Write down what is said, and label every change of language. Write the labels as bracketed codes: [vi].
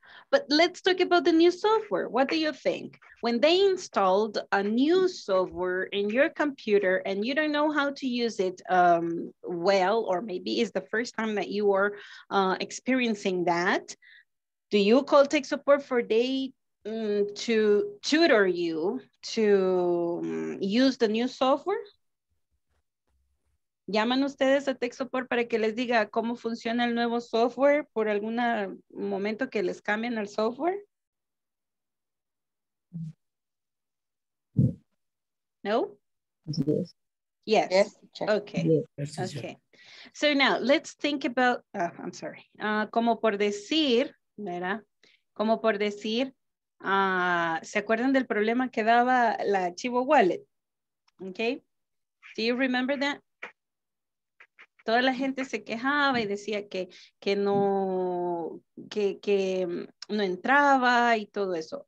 [en] But let's talk about the new software. What do you think? When they installed a new software in your computer and you don't know how to use it well, or maybe it's the first time that you are experiencing that, do you call tech support for they to tutor you to use the new software? [es] ¿Llaman ustedes a tech support para que les diga cómo funciona el nuevo software por algún momento que les cambien el software? No? [en] Yes. Yes. Yes. Okay. Yes, okay. So now let's think about, I'm sorry. [es] Como por decir, ¿verdad? Como por decir, ¿se acuerdan del problema que daba la Chivo Wallet? Okay. [en] Do you remember that? [es] Toda la gente se quejaba y decía que no entraba y todo eso.